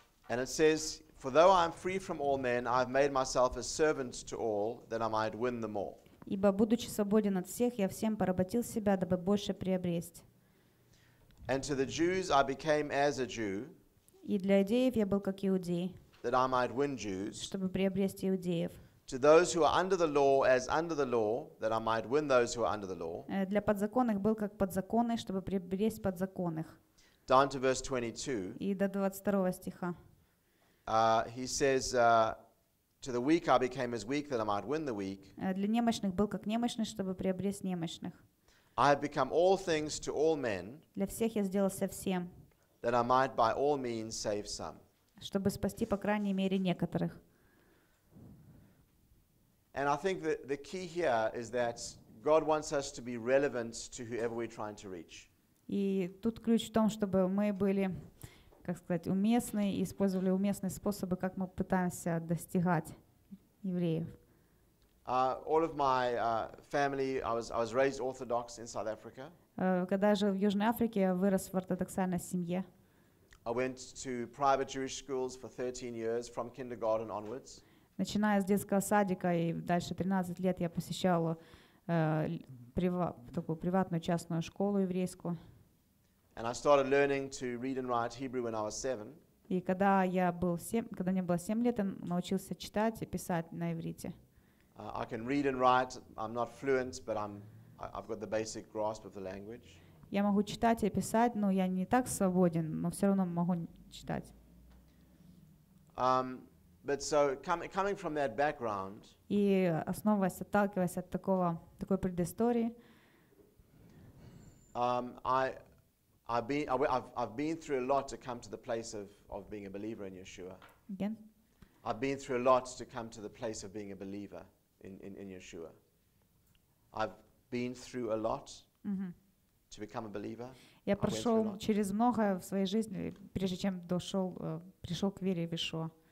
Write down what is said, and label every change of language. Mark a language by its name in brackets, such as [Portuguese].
[English] And it says, "For though I am free from all men, I have made myself a servant to all, that I might win them all." [Russian] Ибо будучи свободен от всех, я всем поработил себя, дабы больше приобрести. [English] And to the Jews I became as a Jew. [Russian] И для иудеев я был как иудей, [English] that I might win Jews, [Russian] чтобы приобрести иудеев. [English] To those who are under the law, as under the law, that I might win those who are under the law. [Russian] Для подзаконных был как подзаконный, чтобы приобрести подзаконных. [English] Down to verse 22. [Russian] И до 22 стиха. [English] He says, "To the weak I became as weak, that I might win the weak." [Russian] Для немощных был как немощный, чтобы приобрести немощных. [English] I have become all things to all men. [Russian] Для всех я сделался всем. [English] That I might by all means save some. [Russian] Чтобы спасти по крайней мере некоторых. [English] And I think that the key here is that God wants us to be relevant to whoever we're trying to reach. [Russian] И тут ключ в том, чтобы мы были, как сказать, уместны и использовали уместные способы, как мы пытаемся достигать евреев. [English] All of my family, I was raised Orthodox in South Africa. [Russian] Когда я жил в Южной Африке, я вырос в ортодоксальной семье. [English] I went to private Jewish schools for 13 years from kindergarten onwards. [Russian] Начиная с детского садика и дальше 13 лет я посещала такую приватную частную школу еврейскую. [English] And I started learning to read and write Hebrew when I was 7. [Russian] И когда мне было 7 лет, я научился читать и писать на иврите. [English] I can read and write. I'm not fluent, but I've got the basic grasp of the language. [Russian] Я могу читать и писать, но я не так свободен, но все равно могу читать. [English] But so coming from that background. [Russian] И основываясь, отталкиваясь от такой предыстории. [English] I've been through a lot to come to the place of being a believer in Yeshua. Again. I've been through a lot to come to the place of being a believer in Yeshua. I've been through a lot. Mm-hmm. To become a believer. [Russian] Я прошел через многое в своей жизни, прежде чем пришел к вере в Ишуа.